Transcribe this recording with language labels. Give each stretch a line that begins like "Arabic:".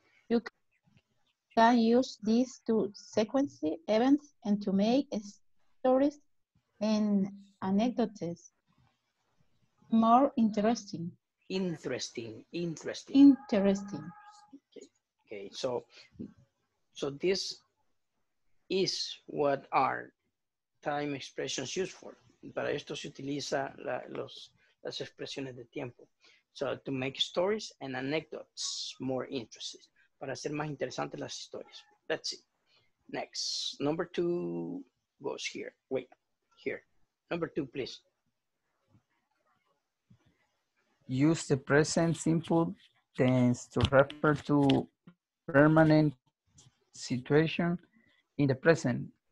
English: You can use these to sequence events and to make stories and anecdotes more interesting. Interesting. Okay. So this is what are time expressions used for.
Spanish: Para esto se utiliza las expresiones de tiempo.
English: So to make stories and anecdotes more interesting.
Spanish: Para hacer más interesantes las historias.
English: Let's see. Next. Number two goes here. Wait. Here. Number two, please. Use the present simple tense to refer to permanent situation in the present.